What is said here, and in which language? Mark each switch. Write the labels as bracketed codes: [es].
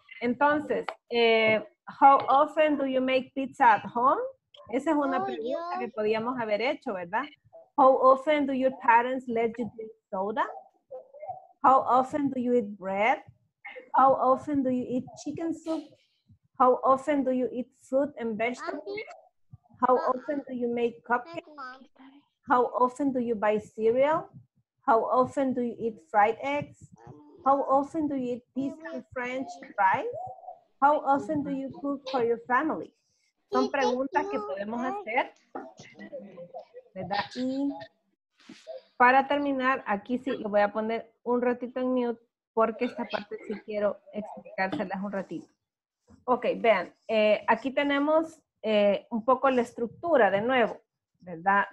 [en] Entonces, how often do you make pizza at home? [es] Esa es una pregunta que podíamos haber hecho, ¿verdad? [en] How often do your parents let you drink soda? How often do you eat bread? How often do you eat chicken soup? How often do you eat fruit and vegetables? How often do you make cupcakes? How often do you buy cereal? How often do you eat fried eggs? How often do you eat pizza and French fries? How often do you cook for your family? [es] Son preguntas que podemos hacer. ¿Verdad? Y para terminar, aquí sí lo voy a poner un ratito en mute porque esta parte sí quiero explicárselas un ratito. Ok, vean, aquí tenemos un poco la estructura de nuevo, ¿verdad?